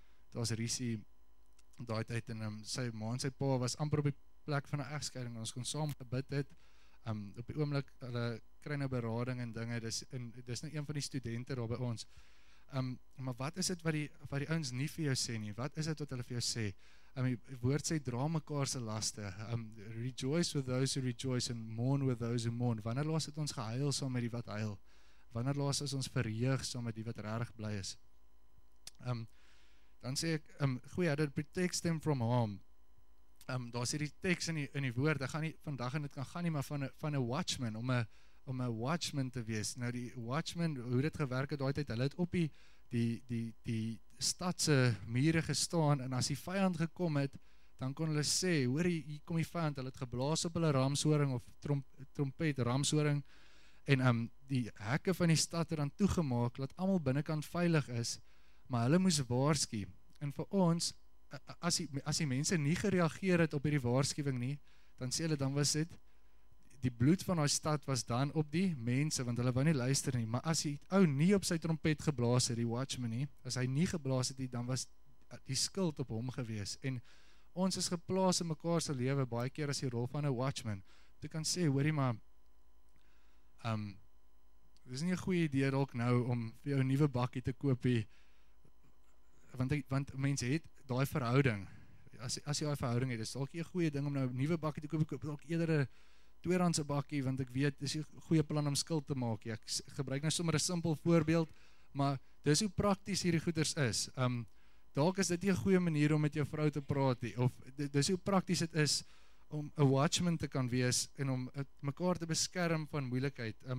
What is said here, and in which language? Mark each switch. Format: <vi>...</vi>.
<af>Daar's risie daai tyd en sy ma en sy pa was amper op die plek van 'n egskeiding, ons kon saam gebid het. Op die oomblik hulle kry nou berading en dinge, dis nou een van die studente daar by ons. Maar wat is dit wat die ouens nie vir jou sê nie? Wat is dit wat hulle vir jou sê? Die woord sê dra mekaar se laste.</af> <en>Rejoice with those who rejoice and mourn with those who mourn.</en> <af>Wanneer laas het ons gehuil saam met die wat huil? Wanneer laas is ons verheug saam met die wat regtig bly is? Dan sê ek, goeie,</af> <en>that protects them from harm.</en> <af>Daar sê die teks in die woord, ek gaan nie vandag en dit kan gaan nie, maar van 'n watchman, om 'n watchman te wees. Nou die watchman, hoe dit gewerk het daai tyd, hulle het op die stad se mure gestaan, en as die vyand gekom het, dan kon hulle sê, hoor jy, hier kom die vyand, hulle het geblaas op hulle ramshoring of trompet, ramshoring, en die hekke van die stad het dan toegemaak, dat almal binnekant veilig is, maar hulle moes waarsku. En vir ons, as die mense nie gereageer het op hierdie waarskuwing nie, dan sê hulle, dan was dit die bloed van daai stad was dan op die mense, want hulle wou nie luister nie. Maar as die ou nie op sy trompet geblaas het, die watchman nie, as hy nie geblaas het nie, dan was die skuld op hom gewees. En ons is geplaas in mekaar se lewe baie keer as die rol van 'n watchman. Toe kan sê, hoorie maar, dis nie 'n goeie idee dalk nou om vir jou 'n nuwe bakkie te koop nie. Want mense het daai verhouding. As jy daai verhouding het, is dalk 'n goeie ding om nou 'n nuwe bakkie te koop, dalk eerder 'n tweedehandse bakkie, want ek weet dis 'n goeie plan om skuld te maak. Ek gebruik nou sommer 'n simpel voorbeeld, maar dis hoe prakties hierdie goeders is. Dalk is dit 'n goeie manier om met jou vrou te praat, of dis hoe prakties dit is om 'n watchman te kan wees en om mekaar te beskerm van moeilikheid.</af>